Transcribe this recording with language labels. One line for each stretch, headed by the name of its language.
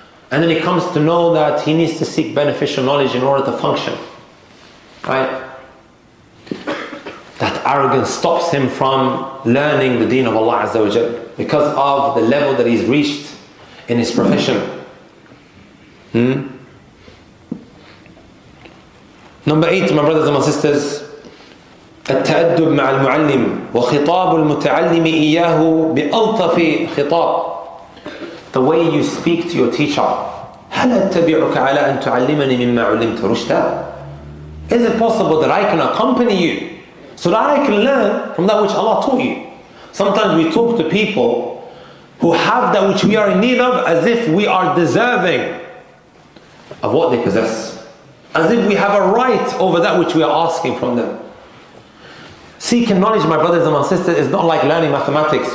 English: And then he comes to know that he needs to seek beneficial knowledge in order to function. Right? That arrogance stops him from learning the deen of Allah Azza wa Jal because of the level that he's reached in his profession. Number eight, my brothers and my sisters,
Arabic: التأدب مع المعلم وخطاب المتعلم إياه بألطف خطاب.
English: The way you speak to your teacher.
Arabic: هل أتبعك على أن تعلمني مما علمت رشدا?
English: Is it possible that I can accompany you so that I can learn from that which Allah taught you? Sometimes we talk to people who have that which we are in need of as if we are deserving of what they possess. As if we have a right over that which we are asking from them. Seeking knowledge, my brothers and my sisters, is not like learning mathematics.